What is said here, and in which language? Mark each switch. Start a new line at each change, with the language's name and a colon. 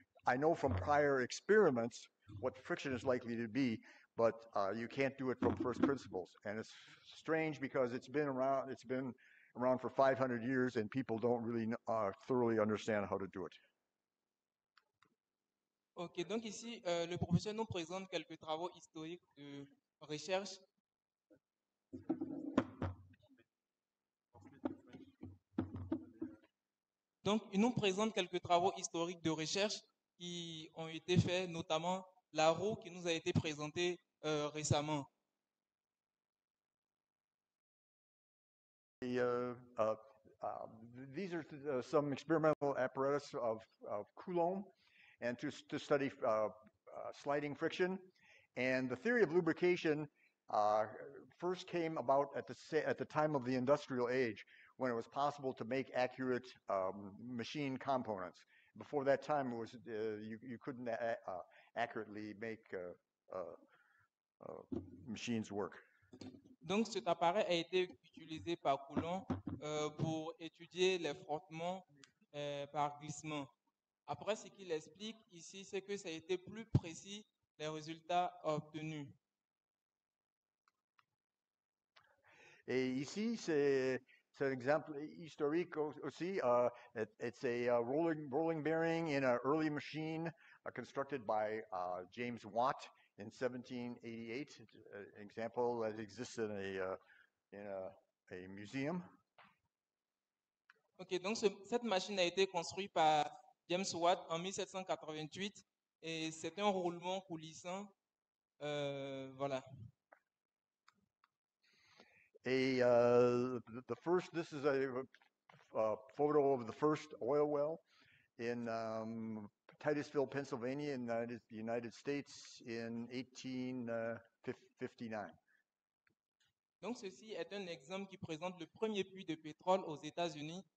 English: I know from prior experiments what friction is likely to be, but you can't do it from first principles. And it's strange because it's been around for 500 years and people don't really thoroughly understand how to do it.
French: OK, donc ici, le professeur nous présente quelques travaux historiques de recherche. Donc, il nous présente quelques travaux historiques de recherche qui ont été faits, notamment la roue qui nous a été présentée récemment.
English: These are some experimental apparatus of Coulomb and to study sliding friction. And the theory of lubrication first came about at the time of the Industrial Age, when it was possible to make accurate machine components. Before that time, it was you couldn't accurately make machines work.
French: Donc cet appareil a été utilisé par Coulomb pour étudier les frottements par glissement. Après, ce qu'il explique ici, c'est que ça a été plus précis les résultats obtenus. Et ici, c'est C'est un exemple historique aussi.
English: It's a rolling bearing in an early machine constructed by James Watt in 1788. An example that exists in a museum.
French: Ok, donc cette machine a été construite par James Watt en 1788 et c'est un roulement coulissant. Voilà.
English: Et the first, this is a photo of the first oil well in Titusville, Pennsylvania, in the United States in 1859.
French: Donc ceci est un exemple qui présente le premier puits de pétrole aux États-Unis.